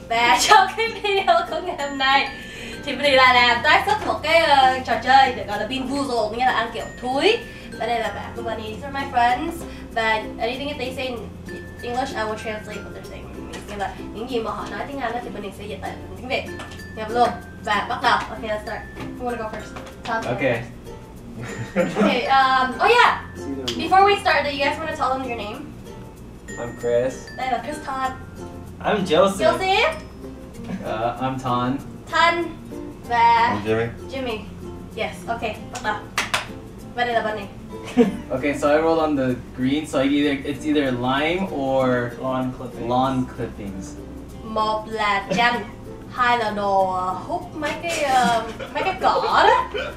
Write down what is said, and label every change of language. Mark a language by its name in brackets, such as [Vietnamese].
[Vietnamese] Và trong cái video của ngày hôm nay thì Bunny lại làm tác xuất một cái trò chơi được gọi là pin boozled, nghĩa là ăn kiểu thúi. Và đây là bạn của Bunny. [English] These are my friends. Và anything they say in English, I will translate what they're saying. [Vietnamese] Nghĩa là những gì mà họ nói tiếng Anh thì Bunny sẽ dịch lại tiếng Việt. Nhập luôn. Và bắt đầu. [English] Okay, let's start. Who wanna go first? Tom. Okay. Okay, oh yeah! Before we start, do you guys want to tell them your name? I'm Chris. I'm Chris Todd. I'm Joseph. Joseph? I'm Tan. Tan. I'm Jimmy. Jimmy. Yes, okay. What is the bunny? Okay, so I rolled on the green, so it's either lime or lawn clippings. Lawn clippings. [Vietnamese] Mob là chanh. Hai là đồ hút mấy cái cỏ đó.